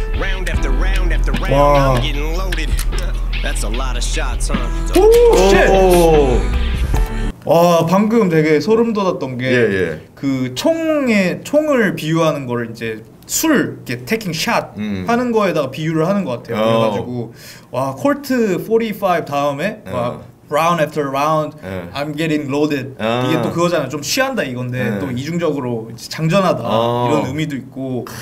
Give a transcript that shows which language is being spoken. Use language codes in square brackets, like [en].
[en] Round after round after round, I'm getting loaded. That's a lot of shots, huh? Oh shit! [ko] 와, 방금 되게 소름 돋았던 게 그 총에 총을 비유하는 거를 이제 술 이렇게 [en] taking shot [ko] 하는 거에다가 비유를 하는 것 같아요. 그래가지고 와, [en] Colt 45 [ko] 다음에 [en] Round after round, I'm getting loaded. [ko] 이게 또 그거잖아요. 좀 취한다 이건데 또 이중적으로 장전하다 이런 의미도 있고.